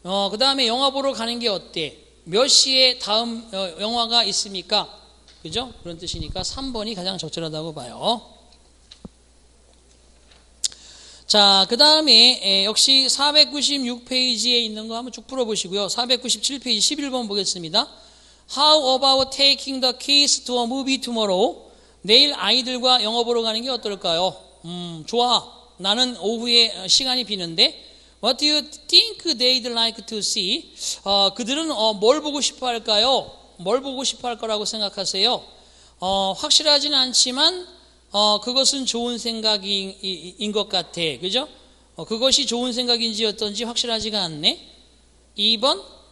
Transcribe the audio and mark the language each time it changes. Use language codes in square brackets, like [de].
[ko] 그 다음에 영화 보러 가는 게 어때? 몇 시에 다음 영화가 있습니까? 그죠? 그런 뜻이니까 3번이 가장 적절하다고 봐요. 자, 그 다음에 역시 496페이지에 있는 거 한번 쭉 풀어보시고요. 497페이지 11번 보겠습니다. [en] How about taking the kids to a movie tomorrow? [ko] 내일 아이들과 영화 보러 가는 게 어떨까요? 좋아. 나는 오후에 시간이 비는데. [en] What do you think they'd like to see? [ko] 그들은 뭘 보고 싶어 할까요? 뭘 보고 싶어 할 거라고 생각하세요? 확실하진 않지만 그것은 좋은 생각인 것 같아. 그죠? 그것이 좋은 생각인지 어떤지 확실하지가 않네. 2번.